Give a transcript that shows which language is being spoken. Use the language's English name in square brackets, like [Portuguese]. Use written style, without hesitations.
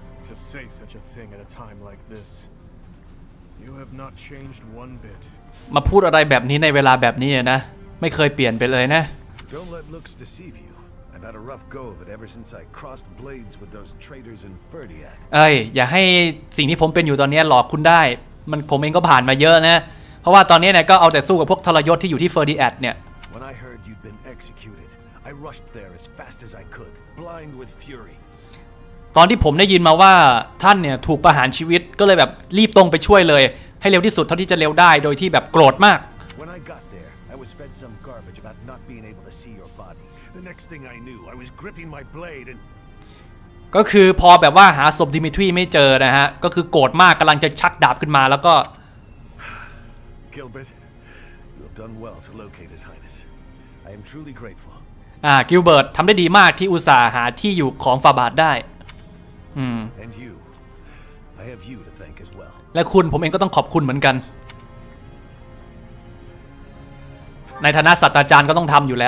[English] to say such a thing at a time like this. You have not changed one bit. [Thai] มาพูดอะไรแบบนี้ในเวลาแบบนี้นะไม่เคยเปลี่ยนไปเลยนะ [English] Don't let looks deceive you. I've had a rough go of it ever since I crossed blades with those traitors in Ferdiad. [Thai] เอ้ยอย่าให้สิ่งที่ผมเป็นอยู่ตอนนี้หลอกคุณได้มันผมเองก็ผ่านมาเยอะนะเพราะว่าตอนนี้เนี่ยก็เอาแต่สู้กับพวกทรยศที่อยู่ที่ Ferdiad เนี่ย [English] When I heard you'd been executed, I rushed there as fast as I could, blind with fury [Thai] ตอนที่ผมได้ยินมาว่าท่านเนี่ยถูกประหารชีวิตก็เลยแบบรีบตรงไปช่วยเลยให้เร็วที่สุดเท่าที่จะเร็วได้โดยที่แบบโกรธมาก [English] When I got there I was fed some garbage about not being able to see your body The next thing I knew I was gripping my blade and [Thai] ก็คือพอแบบว่าหาศพดิมิทรีไม่เจอนะฮะก็คือโกรธมากกำลังจะชักดาบขึ้นมาแล้วก็ [English] Gilbert you have done well to locate his highness I am truly grateful [Thai] Gilbert ทำได้ดีมากที่อุตส่าห์หาที่อยู่ของฟาบาดได้ [English] And you, I have you to thank as well. [Thai] และคุณผมเองก็ต้องขอบคุณเหมือนกันในฐานะศาสตราจารย์ก็ต้องทำอยู่แล